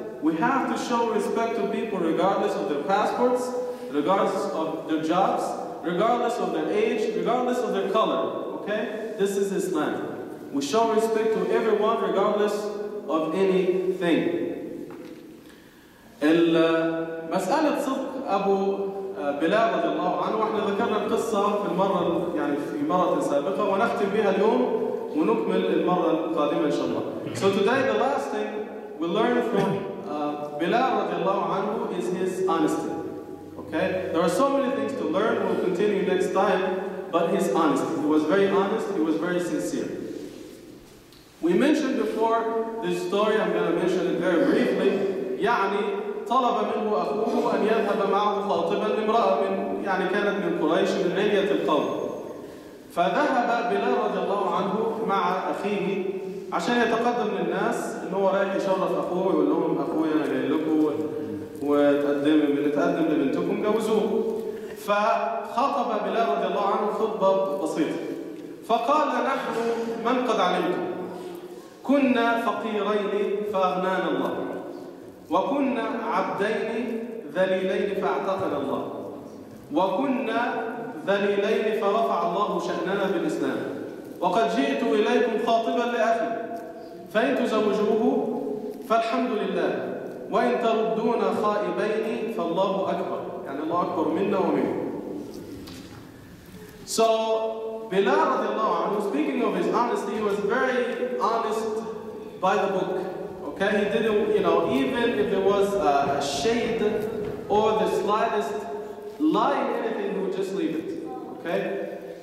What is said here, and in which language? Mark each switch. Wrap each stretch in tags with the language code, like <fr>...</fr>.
<en>We have to show respect to people regardless of their passports, regardless of their jobs, regardless of their age, regardless of their color. Okay? This is Islam. We show respect to everyone regardless of anything.</en> <ar>المسألة صدق أبو بلال رضي الله عنه واحنا ذكرنا القصة في المرة يعني في مرة سابقة ونختم بها اليوم ونكمل المرة القادمة إن شاء الله.</ar> <en>So today the last thing we learn from بلال</en> <ar>رضي الله عنه</ar> <en>is his honesty. Okay? There are so many things to learn. We'll continue next time. But his honesty. He was very honest. He was very sincere. We mentioned before this story. I'm going to mention it very briefly.</en> <ar>يعني طلب منه أخوه أن يذهب معه خاطبا لامرأة من يعني كانت من قريش من علية القوم. فذهب بلال رضي الله عنه مع أخيه عشان يتقدم للناس إن هو رايح يشرف أخوه ويقول لهم أخويا أنا جاي لكم وتقدم بنتقدم لبنتكم جوزوه. فخطب بلال رضي الله عنه خطبة بسيطة، فقال: نحن من قد علمتم؟ كنا فقيرين فأغنانا الله، وكنا عبدين ذليلين فاعتقنا الله، وكنا ذليلين فرفع الله شأننا بالإسلام، وقد جئت إليكم خاطبا لأخي، فإن تزوجوه فالحمد لله، وإن تردون خائبين فالله أكبر. يعني الله أكبر منا ومنه.</ar> <en>So Bilal</en> <ar>رضي الله عنه,</ar> <en>speaking of his honesty, he was very honest by the book. Okay, he didn't, you know, even if there was a shade or the slightest lie, anything, he would just leave it. Okay.</en>